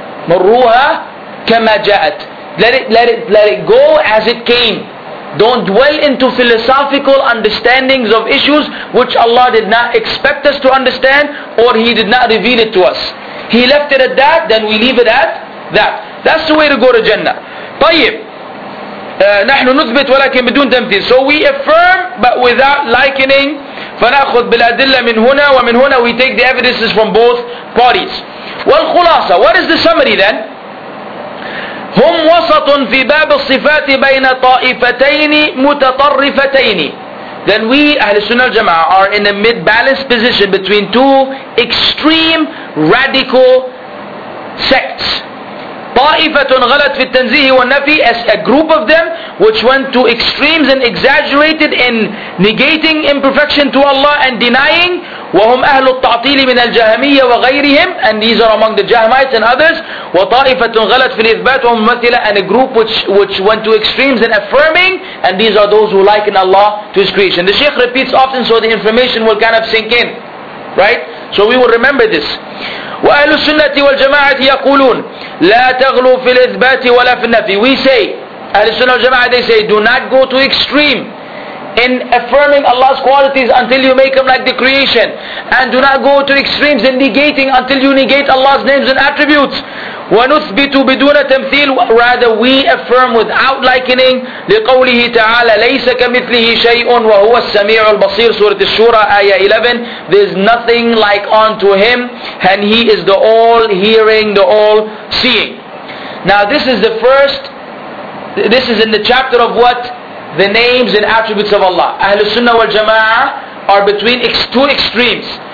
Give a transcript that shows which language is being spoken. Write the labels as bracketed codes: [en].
[ar] مَرُّوهَا كَمَا جَاءَتْ [en] Let it go as it came. Don't dwell into philosophical understandings of issues which Allah did not expect us to understand, or He did not reveal it to us. He left it at that, then we leave it at that. That's the way to go to Jannah. [ar] طيب نحن نثبت ولكن بدون تمثيل. [en] So we affirm but without likening. [ar] فنأخذ بالأدلة من هنا ومن هنا. [en] We take the evidences from both parties. والخلاصة, what is the summary then? [ar] هم وسط في باب الصفات بين طائفتين متطرفتين. [en] Then we, أهل السنة الجماعة, are in a mid-balanced position between two extreme radical sects. [ar] طائفة غلط في التنزيه والنفي, [en] as a group of them which went to extremes and exaggerated in negating imperfection to Allah and denying. [ar] وهم أهل التعطيل من الجهمية وغيرهم, [en] and these are among the Jahmites and others. [ar] وطائفة غلط في الإثبات وهم ممثلة, [en] and a group which went to extremes in affirming, and these are those who liken Allah to His creation. The Shaykh repeats often so the information will kind of sink in, right? So we will remember this. [ar] وأهل السنة والجماعة يقولون لا تغلو في الإثبات ولا في النفي. [en] We say, أهل السنة والجماعة, they say, do not go to extreme in affirming Allah's qualities until you make them like the creation, and do not go to extremes in negating until you negate Allah's names and attributes. [ar] ونثبت بدون تمثيل, [en] rather we affirm without likening, [ar] لقوله تعالى ليس كمثله شيء وهو السميع البصير, سورة الشورى آية 11. [en] There is nothing like unto him, and he is the all hearing, the all seeing. Now this is the first, this is in the chapter of what? The names and attributes of Allah. Ahlul Sunnah wal Jama'ah are between two extremes.